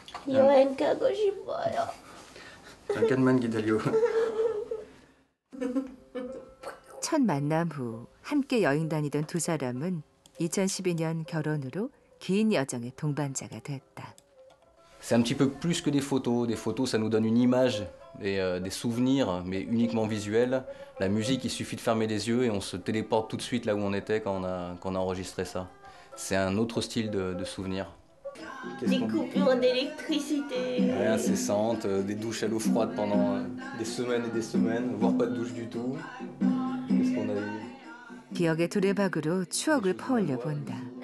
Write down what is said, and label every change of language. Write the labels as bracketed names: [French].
[Korean] 여행 가고 싶어요. 잠깐만 기다려. 첫 만남 후 함께 여행 다니던 두 사람은 2012년 결혼으로 긴 여정의 동반자가 됐다. [French] C'est un petit peu plus que des photos. Des photos, ça nous donne une image et des souvenirs, mais uniquement visuels. La musique, il suffit de fermer les yeux et on se téléporte tout de suite là où on était quand on a enregistré ça. C'est un autre style de souvenir. Des coupures d'électricité. Ouais, incessantes, des douches à l'eau froide pendant des semaines et des semaines, voire pas de douche du tout. Qu'est-ce qu'on a eu? [Korean] 기억의 두레박으로 추억을 퍼올려 본다.